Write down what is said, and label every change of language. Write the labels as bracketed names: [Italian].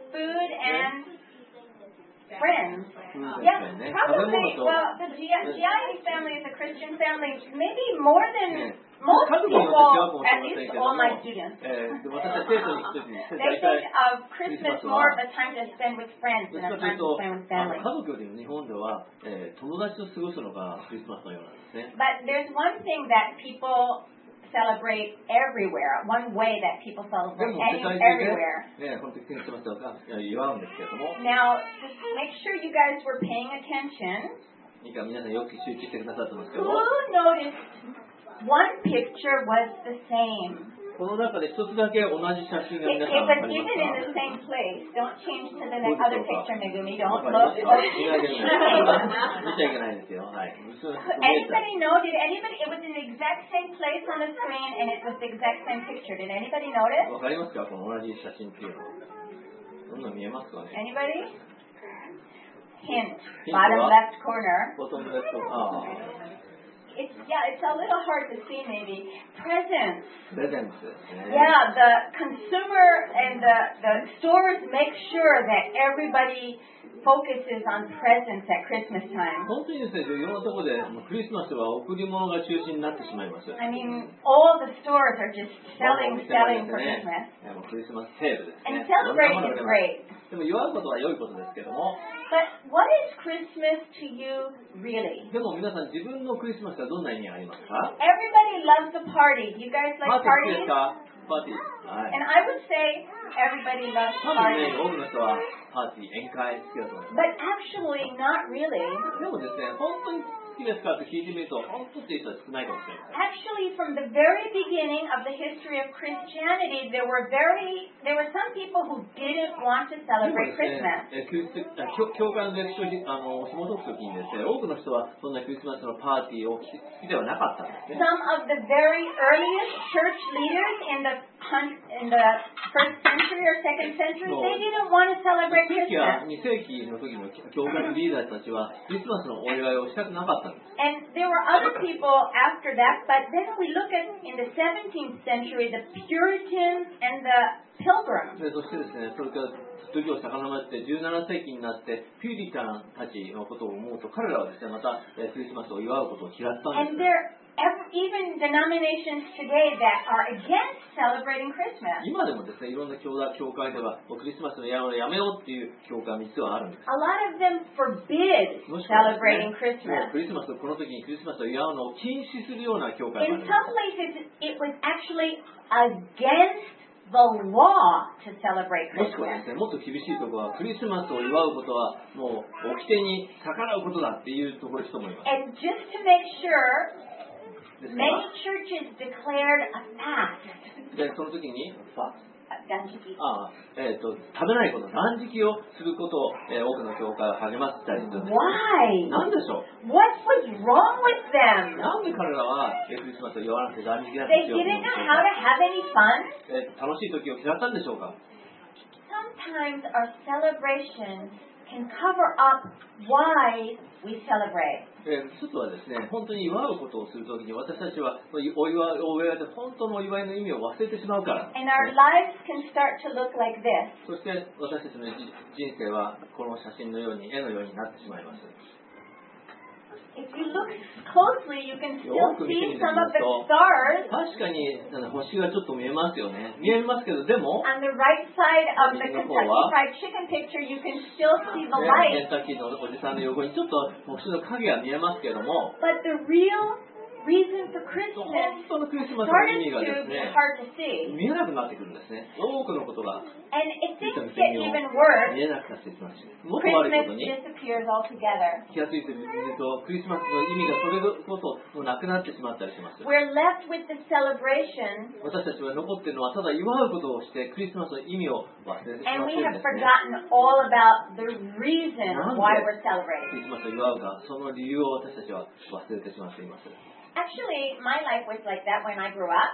[English] Food and friends. Yeah, probably. Well, the GSGI family is a Christian family. Maybe more than most people, at least all my students. They think of Christmas more of a time to spend with friends than a time to spend with family. [Japanese] 家族より日本では、友達と過ごすのがクリスマスのようなんですね。 [English] But there's one thing that people celebrate everywhere, one way that people celebrate everywhere. Now, just make sure you guys were paying attention. Who noticed one picture was the same? [Japanese] この中で一つだけ同じ写真が皆さんありますか? [English] If it's in the same place, don't change to the other picture, Megumi. Don't look. [Japanese] 見ちゃいけないですよ。はい。 [English] Anybody know? Did anybody? It was in the exact same place on the screen, and it was the exact same picture. Did anybody notice? [Japanese] わかりますか? この同じ写真っていうの。どんな見えますかね? [English] Anybody? hint, bottom left corner. Bottom left corner. It's a little hard to see maybe. Presents. Yeah, the consumer and the stores make sure that everybody focuses on presents at Christmas time. [Japanese] 本当にですね、いろんなところでクリスマスは贈り物が中心になってしまいます。 [English] I mean, all the stores are just selling for Christmas. [Japanese] クリスマスセールですね。 [English] And celebrating is great. [Japanese] でも祝うことは良いことですけども。 [English] But what is Christmas to you really? [Japanese] でも皆さん自分のクリスマスはどんな意味がありますか? [English] Everybody loves the party. You guys like parties? Party. And I would say everybody loves parties. [Japanese] 多分ね、多くの人はパーティー、宴会好きだと思います。 [English] But actually not really. [Japanese] でもですね、本当に好きですかって聞いてみると、本当って人は少ないかもしれない。 [English] Actually, from the very beginning of the history of Christianity, there were some people who didn't want to celebrate Christmas. [Japanese] でもですね、教会の歴史を紐解くときにですね、多くの人はそんなクリスマスのパーティーを好きではなかったんですね。 [English] Some of the very earliest church leaders in the first century or second century, they didn't want to celebrate Christmas. [Japanese] 2世紀の時の教会のリーダーたちはクリスマスのお祝いをしたくなかったんです。 [English] And there were other people after that, but then we look at in the 17th century, the Puritans and the Pilgrims. [Japanese] そしてですね、それから時を遡って17世紀になってピューリタンたちのことを思うと彼らはですね、またクリスマスを祝うことを嫌ったんです。 [English] And there even denominations today that are against celebrating Christmas. [Japanese] 今でもですね、いろんな教会ではクリスマスのやめようっていう教会も実はあるんです。 [English] A lot of them forbid celebrating Christmas. [Japanese] クリスマスこの時にクリスマスを祝うのを禁止するような教会もあります。 [English] In some places, it was actually against the law to celebrate Christmas. [Japanese] もしくはですね、もっと厳しいところはクリスマスを祝うことはもう掟に逆らうことだっていうところだと思います。 [English] And just to make sure. Many churches declared a fast. [Japanese] で、その時に、断食。食べないこと、断食をすることを、多くの教会は励ましたりする。 [English] Why? [Japanese] なんでしょう [English] ？What was wrong with them? [Japanese] なんで彼らはクリスマスを祝わなくて断食やってしまうの？ [English] They didn't know how to have any fun? [Japanese] 楽しい時を嫌ったんでしょうか [English] ？Sometimes our celebrations can cover up why we celebrate. [Japanese] 一つはですね、本当に祝うことをするときに私たちはお祝いを終えて本当のお祝いの意味を忘れてしまうから。 [English] And our lives can start to look like this. [Japanese] そして私たちの人生はこの写真のように絵のようになってしまいます。 [English] If you look closely, you can still see some of the stars. [Japanese] 確かに星がちょっと見えますよね。見えますけど、でも、 [English] on the right side of the Kentucky Fried Chicken picture, you can still see the light. [Japanese] ケンタッキーのおじさんの横にちょっと星の影が見えますけども。 [English] But the real reason for Christmas started to be hard to see. [Japanese] 見えなくなってくるんですね。多くのことが。 [English] And it didn't get even worse. [Japanese] 見えなくなってきました。もっと悪いことに [English] disappears altogether. [Japanese] 気がついてみるとクリスマスの意味がそれこそもうなくなってしまったりします。 [English] We're left with the celebration. [Japanese] 私たちは残っているのはただ祝うことをしてクリスマスの意味を忘れてしまう。 [English] And we have forgotten all about the reason why we're celebrating. [Japanese] クリスマスを祝うか、その理由を私たちは忘れてしまっています。 [English] Actually, my life was like that when I grew up.